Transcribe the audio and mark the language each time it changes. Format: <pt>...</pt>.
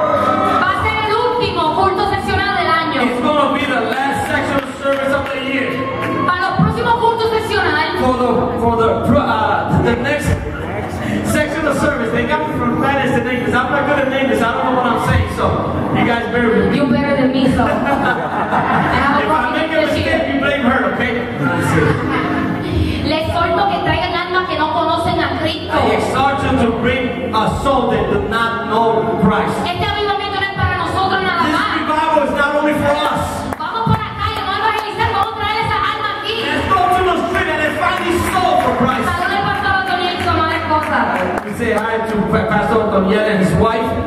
<es>Va a ser el último culto sesional del año.</es> <en>It's going to be the last sectional service of the year.</en> <es>Para los próximos cultos sesionales.</es> <en>For the next sectional service. They got me from Spanish to English. I'm not good at English. I don't know what I'm saying. So you guys bear with me. You better than me, so. If I make a mistake, you blame her, okay?</en> <es>Les solto que traigan almas que no conocen a Cristo.</es> <en>I exhort you to bring a soul that do not know Christ.</en> <es>Este avivamiento no es para nosotros nada más.</es> <en>This revival is not only for us.</en> <es>Vamos por acá, vamos a evangelizar, vamos a traer esa alma aquí.</es> <en>Let's go to the street and find this soul for Christ.</en> <es>¿A dónde pastor Antonio y su madre esposa?</es> <en>We say hi to Pastor Antonio and his wife.</en>